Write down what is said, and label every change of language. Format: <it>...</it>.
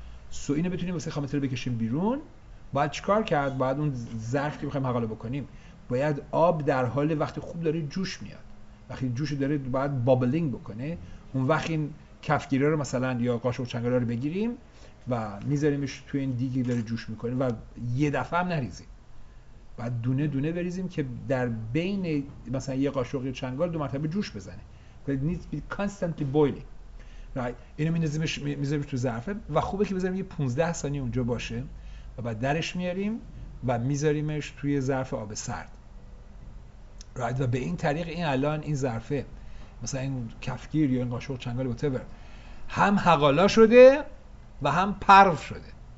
<fa>سو اینو بتونیم واسه خامت رو بکشیم بیرون، باید چیکار کرد؟ باید اون ظرفی که میخوایم حقاله بکنیم، باید آب در حال وقتی خوب داره جوش میاد، وقتی جوش داره باید بابلینگ بکنه، اون وقت این کفگیره رو مثلا یا قاشق و چنگاله رو بگیریم و میذاریمش تو این دیگه داره جوش میکنه و یه دفعه هم نریزیم، بعد دونه دونه بریزیم که در بین مثلا یه قاشق یا چنگال دو مرتبه جوش بزنه.</fa> <en>It needs to be constantly boiling. Right.</en> <fa>اینو میذاریمش تو ظرفه و خوبه که بذاریم یه 15 ثانیه اونجا باشه و بعد درش میاریم و میذاریمش توی ظرف آب سرد. Right. و به این طریق این الان این ظرفه مثلا این کفگیر یا این قاشق چنگال whatever هم حقالا شده و هم پرو شده.</fa>